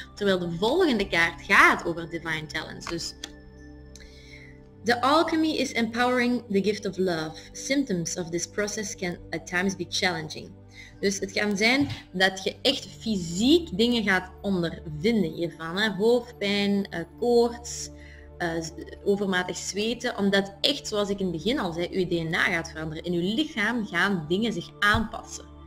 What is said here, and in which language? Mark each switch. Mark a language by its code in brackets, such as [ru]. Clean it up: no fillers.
[nl] Terwijl de volgende kaart gaat over divine talents. [en] Dus the alchemy is empowering the gift of love. Symptoms of this process can at times be challenging. [nl] Dus het kan zijn dat je echt fysiek dingen gaat ondervinden hiervan. Hè? Hoofdpijn, koorts, overmatig zweten. Omdat echt, zoals ik in het begin al zei, je DNA gaat veranderen. In je lichaam gaan dingen zich aanpassen.